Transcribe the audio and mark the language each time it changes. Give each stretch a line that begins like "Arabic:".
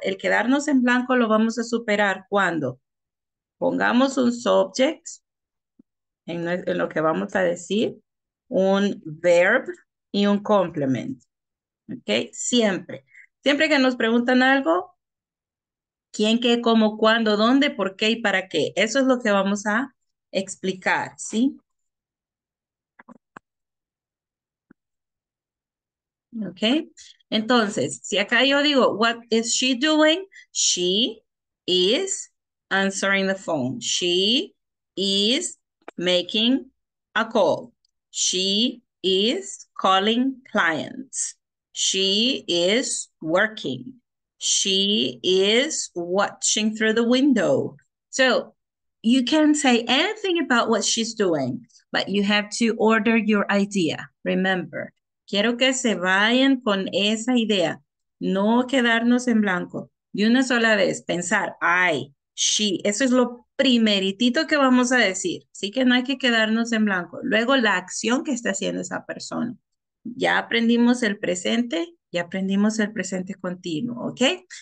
Spanish: El quedarnos en blanco lo vamos a superar cuando pongamos un subject en lo que vamos a decir, un verb y un complement. ¿Ok? Siempre. Siempre que nos preguntan algo, quién, qué, cómo, cuándo, dónde, por qué y para qué. Eso es lo que vamos a explicar, ¿sí? Okay, entonces, si acá yo digo,
English: what is she doing? She is answering the phone. She is making a call. She is calling clients. She is working. She is watching through the window. So you can say anything about what she's doing, but you have to order your idea, remember.
Spanish: Quiero que se vayan con esa idea, no quedarnos en blanco. De una sola vez, pensar, I, she, eso es lo primeritito que vamos a decir. Así que no hay que quedarnos en blanco. Luego, la acción que está haciendo esa persona. Ya aprendimos el presente, ya aprendimos el presente continuo, ¿ok?